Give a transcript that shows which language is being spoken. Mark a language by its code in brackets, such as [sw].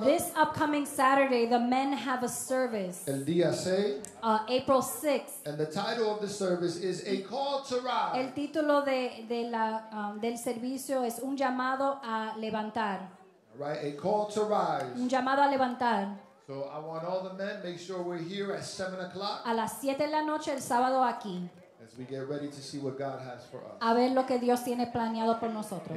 [en] This upcoming Saturday, the men have a service. [es] El día 6. [en] April 6th. And the title of the service is A Call to Rise. [es] El título del servicio es Un Llamado a Levantar. [en] Right, A Call to Rise. [es] Un Llamado a Levantar. [en] So I want all the men, make sure we're here at 7 o'clock. [es] A las 7 de la noche el sábado aquí. [en] As we get ready to see what God has for us. [es] A ver lo que Dios tiene planeado por nosotros.